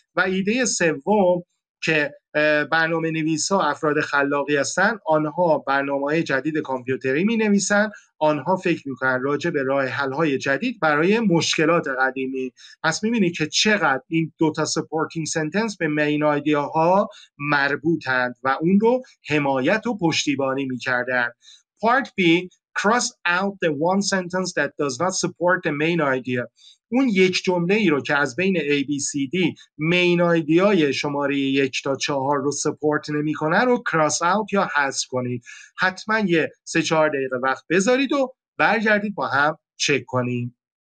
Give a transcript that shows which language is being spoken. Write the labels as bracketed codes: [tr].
[fa] و ایده سوم که برنامه نویس ها افراد خلاقی هستن، آنها برنامه‌های جدید کامپیوتری مینویسن، آنها فکر میکنن راجع به راه حل‌های جدید برای مشکلات قدیمی. پس میبینی که چقدر این دوتا سپورتینگ سنتنس به مین ایده ها مربوطند و اون رو حمایت و پشتیبانی میکردن. [en] Part B cross out the one sentence that does not support the main idea. [fa] اون یک جمله ای رو که از بین A, B, C, D مین ایده های شماره 1-4 رو سپورت نمی کنه رو کراس اوت یا حذف کنید. حتما یه 3-4 دقیقه وقت بذارید و برگردید با هم چک کنید.